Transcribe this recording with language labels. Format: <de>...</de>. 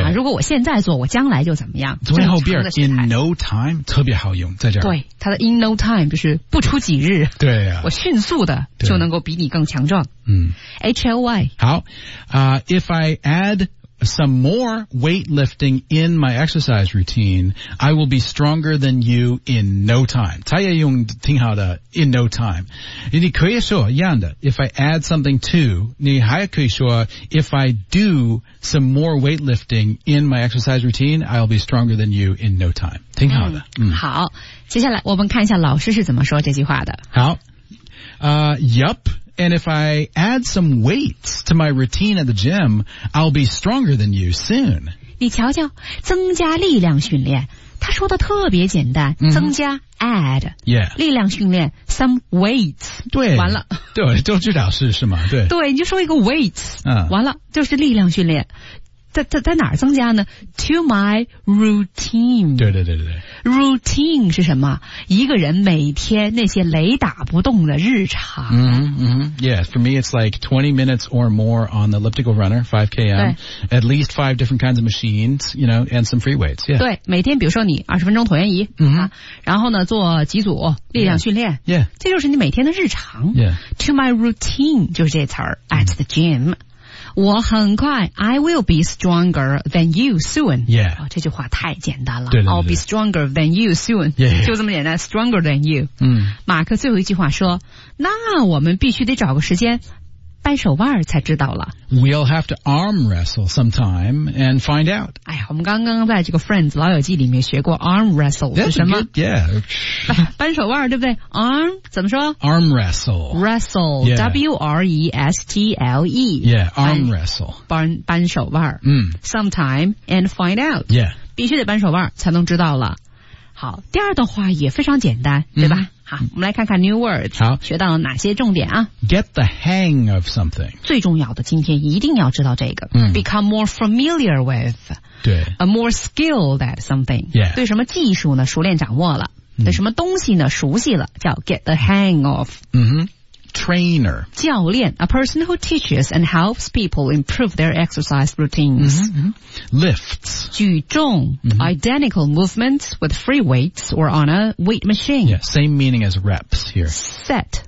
<zh>啊，如果我现在做，我将来就怎么样？最后边 in no time 特别好用，在这儿。对，它的 in no time 就是不出几日。对啊，我迅速的就能够比你更强壮。嗯，HLY。</zh> <en>好啊、，if I add some more weightlifting in my exercise routine, I will be stronger than you in no time.</en> <zh>他也用挺好的</zh> <en>in no time.</en> <zh>你可以说一样的</zh> <en>if I add something to,</en> <zh>你还可以说</zh> <en>if I do some more weightlifting in my exercise routine, I'll be stronger than you in no time.</en> <zh>挺好的、嗯嗯、好接下来我们看一下老师是怎么说这句话的。好、Yup.</zh> <en>And if I add some weights to my routine at the gym, I'll be stronger than you soon.</en> <zh>你瞧瞧，增加力量训练，他说的特别简单。 Mm-hmm. 增加 add、 yeah. 力量训练 some weights. 对，完了。对，都知道是什么？对。对，你就说一个 weights、完了，就是力量训练。在哪儿增加呢 ？To my routine。对对对对对。 Routine 是什么？一个人每天那些雷打不动的日常。嗯嗯。</zh> <en>Yeah, for me it's like 20 minutes or more on the elliptical runner, 5km, at least 5 different kinds of machines, you know, and some free weights. Yeah.</en> <zh>对，每天比如说你20分钟椭圆仪、 mm-hmm. 啊，然后呢做几组力量训练。 Yeah. 这就是你每天的日常。 Yeah.</zh> <en>To my routine</en> <zh>就是这词儿</zh> <en>at the gym。Mm-hmm.</en> <zh>我很快</zh> <en>I will be stronger than you soon. Yeah.、</en> <zh>哦、这句话太简单了。对对对</zh> <en>I'll be stronger than you soon. Yeah, yeah.</en> <zh>就这么简单</zh> <en>stronger than you.、嗯、</en> <zh>马克最后一句话说那我们必须得找个时间掰手腕才知道了。</zh> <en>We'll have to arm wrestle sometime and find out.</en> <zh>哎呀我们刚刚在这个 Friends 老友记里面学过 arm wrestle 是什么</zh> <en>good, yeah.</en> <zh>掰手腕对不对 arm 怎么说</zh> <en>arm wrestle. Wrestle,、 yeah. W-R-E-S-T-L-E. Yeah, arm wrestle.</en> <zh>掰手腕、 mm.</zh> <en>Sometime and find out. Yeah.</en> <zh>必须得掰手腕才能知道了。好第二段话也非常简单、mm-hmm. 对吧好我们来看看</zh> <en>new words</en> <zh>好学到哪些重点啊</zh> <en>get the hang of something</en> <zh>最重要的今天一定要知道这个、嗯、</zh> <en>become more familiar with</en> <zh>对</zh> <en>a more skilled at something、 yeah.</en> <zh>对什么技术呢熟练掌握了、嗯、对什么东西呢熟悉了叫 get the hang of、嗯、哼 trainer</zh> <en>教练 a person who teaches and helps people improve their exercise routines、嗯、lifts 举重、嗯、identical movements with free weights or on a weight machine yeah, same meaning as reps here set</en>